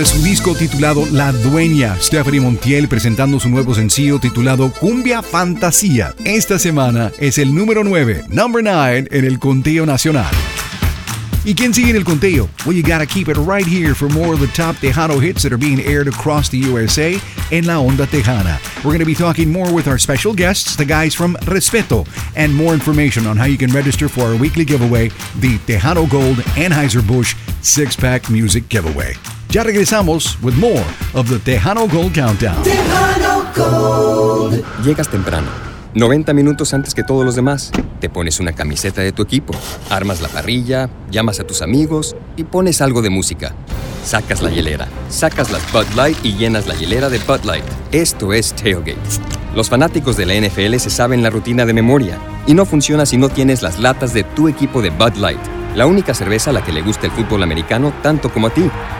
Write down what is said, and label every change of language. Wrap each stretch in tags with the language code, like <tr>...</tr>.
<es>Es un disco titulado La Dueña. Stephanie Montiel presentando su nuevo sencillo titulado Cumbia Fantasía. Esta semana es el número 9,</es> <en>number 9</en> <es>en el conteo nacional. ¿Y quién sigue en el conteo?</es> <en>Well, you gotta keep it right here for more of the top Tejano hits that are being aired across the USA en La Onda Tejana. We're going to be talking more with our special guests, the guys from Respeto, and more information on how you can register for our weekly giveaway, the Tejano Gold Anheuser-Busch Six-Pack Music Giveaway.</en> <es>Ya regresamos</es> <en>with more of the Tejano Gold Countdown. Tejano Gold.</en> <es>Llegas temprano, 90 minutos antes que todos los demás. Te pones una camiseta de tu equipo, armas la parrilla, llamas a tus amigos y pones algo de música. Sacas la hielera, sacas las Bud Light y llenas la hielera de Bud Light. Esto es tailgate. Los fanáticos de la NFL se saben la rutina de memoria y no funciona si no tienes las latas de tu equipo de Bud Light, la única cerveza a la que le gusta el fútbol americano tanto como a ti.</es>